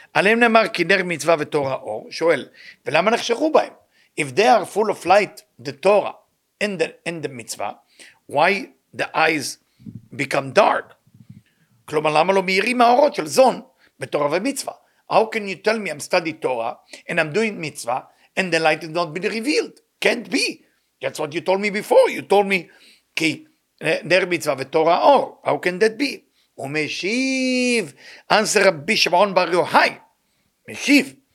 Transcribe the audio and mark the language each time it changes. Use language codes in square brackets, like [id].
[he] עליהם נאמר כי נר מצווה ותורה אור, שואל, ולמה נחשכו בהם? [en] If they are full of light, the Torah and the מצווה, why the eyes become dark? [he] כלומר, למה לא מהירים האורות של זון בתורה ומצווה? [en] How can you tell me I'm studying Torah and I'm doing mitzvah and the light has not been revealed? Can't be. That's what you told me before. You told me [he] ki ner mitzvah v'torah or. [en] How can that be? Umeshiv. Answer Rabbi Shimon Bar Yochai. Meshiv.